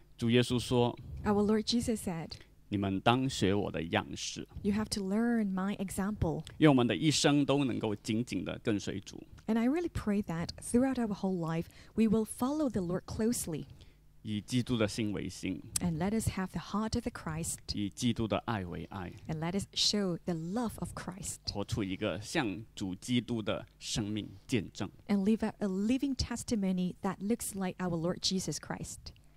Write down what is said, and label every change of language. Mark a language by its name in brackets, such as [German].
[Chinese] 耶稣说 [English] Our Lord Jesus said, [Chinese] 你们当学我的样式 [English] You have to learn my example. [Chinese] 愿我们的一生都能够紧紧地跟随主 [English] And I really pray that throughout our whole life, we will follow the Lord closely. [Chinese] 以基督的心为心 [English] And let us have the heart of the Christ [Chinese] 以基督的爱为爱 [English] And let us show the love of Christ [Chinese] 活出一个向主基督的生命见证 [English] And live a living testimony that looks like our Lord Jesus Christ